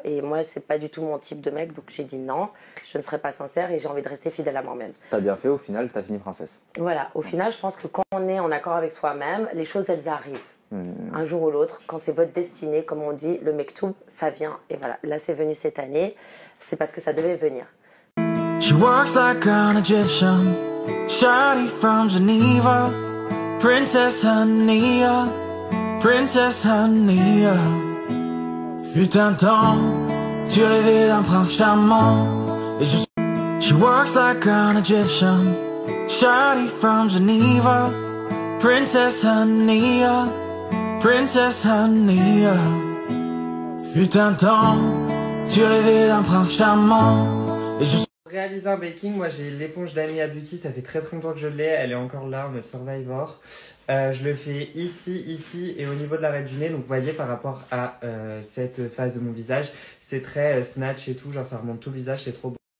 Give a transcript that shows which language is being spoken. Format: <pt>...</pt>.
<fr>Et moi, ce n'est pas du tout mon type de mec. Donc, j'ai dit non. Je ne serai pas sincère et j'ai envie de rester fidèle à moi-même. T'as bien fait, au final, t'as fini princesse. Voilà, au final, je pense que quand on est en accord avec soi-même, les choses, elles arrivent. Mmh. Un jour ou l'autre, quand c'est votre destinée, comme on dit, le mektoub, ça vient. Et voilà, là, c'est venu cette année. C'est parce que ça devait venir.</fr> <en>She walks like an Egyptian, shawty from Geneva, Princess Hania, Princess Hania.</en> <fr>Fut un temps, tu rêvais d'un prince charmant.</fr> <en>She walks like an Egyptian, shawty from Geneva, Princess Hania, Princess Hania.</en> <fr>Fut un temps, tu rêvais d'un prince charmant. Et je réalise un baking, moi j'ai l'éponge d'Aneya Beauty, ça fait très longtemps que je l'ai, elle est encore là, mode survivor. Je le fais ici, ici et au niveau de l'arête du nez. Donc vous voyez par rapport à cette face de mon visage, c'est très snatch et tout, genre ça remonte tout le visage, c'est trop beau.</fr>